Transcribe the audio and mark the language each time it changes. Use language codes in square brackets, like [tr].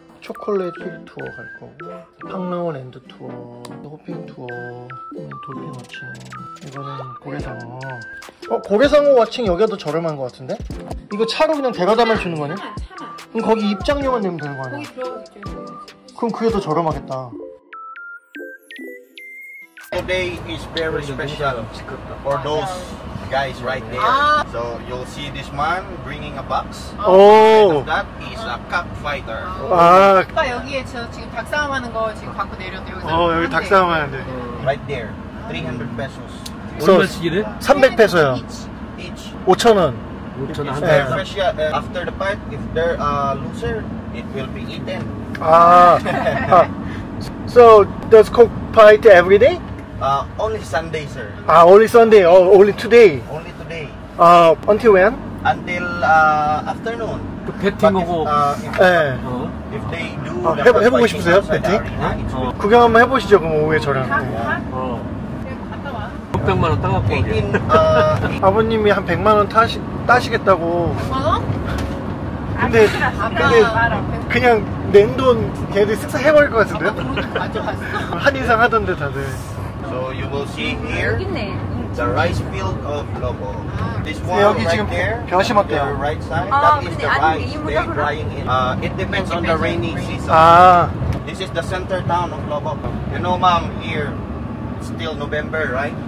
[ko] 초콜릿 휠 투어 갈 거고, 팡라원 엔드 투어, 호핑 투어, 돌핀 워칭. 이거는 고래상어. 고래상어 워칭 여기도 저렴한 거 같은데? 이거 차로 그냥 데려다만 주는 거냐? 그럼 거기 입장료만 내면 되는 거 아니야? 거기 들어가겠지. 그럼 그게 더 저렴하겠다. [en] Today is very special for those guys right there. So you'll see this man bringing a box. That is a cockfighter. [ko] 아, 오빠 여기에 저 지금 닭싸움 하는 거 지금 갖고 내려드리고 있어요. 여기 닭싸움 하는데. [en] Right there. 300 pesos. [ko] 얼마씩이래? 300 peso요. [en] Each. [ko] 5천 원. 5천 원 한 달. [en] After the fight, if they're a loser, it will be eaten. [ko] 아. [en] So does cook fight every day? Only Sunday, sir. Only Sunday. Oh, only today. Only today. Until when? Until afternoon. The betting of. [ko] 예. [en] If they do. [ko] 해보고 싶으세요, betting? 구경 한번 해보시죠, 그럼 오후에 저랑. 600만 원 따갖고. 아버님이 한 100만 원 따시겠다고. 100만 원? 근데 그냥 낸 돈 걔네들 쓱싹 해버릴 것 같은데요? 한 인상 하던데 다들. [en] So you will see here the rice field of Globo. This one right there, your right side, that is the rice they are drying in. It depends on the rainy season. This is the center town of Globo. You know, ma'am, here it's still November, right?